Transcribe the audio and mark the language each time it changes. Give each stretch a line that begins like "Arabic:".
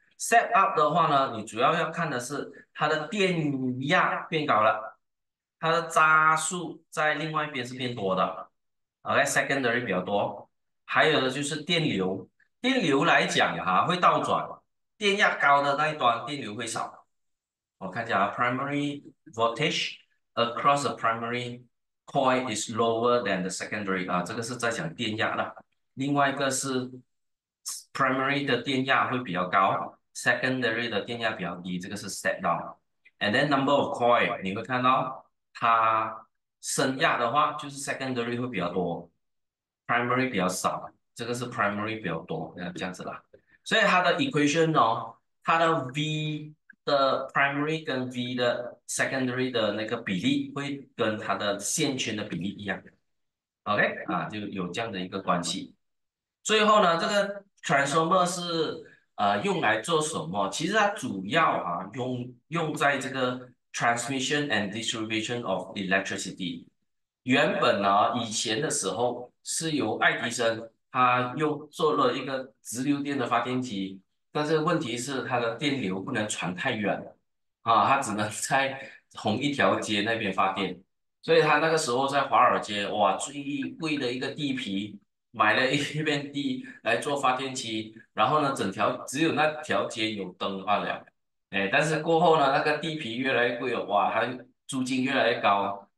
Chinese: step up 的话呢，你主要要看的是它的电压变高了，它的匝数在另外一边是变多的，OK，secondary 比较多，还有的就是电流，电流来讲会倒转。电压高的那一端，电流会少。
English: 我看一下，primary voltage across the primary coil is lower than the secondary
Chinese: 这个是在讲电压的。另外一个是 primary 的电压会比较高，secondary 的电压比较低，这个是 step down。
English: And then number of coil，
Chinese: 你会看到它升压的话，就是 secondary 会比较多，primary 比较少，这个是 primary 比较多，这样子啦。所以它的 equation 哦，它的 V 的 primary 跟 V 的 secondary 的那个比例会跟它的线圈的比例一样的，OK 就有这样的一个关系。最后呢，这个 transformer 是用来做什么？其实它主要用在这个
English: transmission and distribution of electricity。
Chinese: 原本以前的时候是由爱迪生。他又做了一个直流电的发电机，但是问题是它的电流不能传太远它只能在同一条街那边发电，所以他那个时候在华尔街哇最贵的一个地皮买了一片地来做发电机，然后呢整条只有那条街有灯罢了，但是过后呢那个地皮越来越贵了，哇，他租金越来越高，